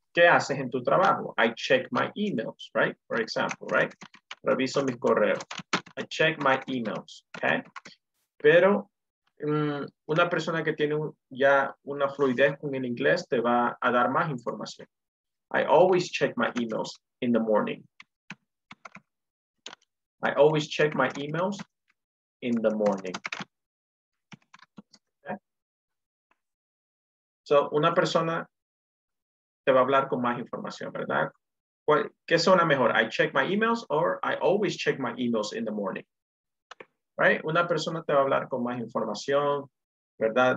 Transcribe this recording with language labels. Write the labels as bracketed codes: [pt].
[es] ¿Qué haces en tu trabajo? [en] I check my emails, right? For example, right? [es] Reviso mis correos. [en] I check my emails, okay? [es] Pero una persona que tiene ya una fluidez con el inglés te va a dar más información. [en] I always check my emails in the morning. I always check my emails in the morning. [es] So, una persona te va a hablar con más información, ¿verdad? ¿Qué suena mejor? [en] I check my emails or I always check my emails in the morning. Right? [es] Una persona te va a hablar con más información, ¿verdad?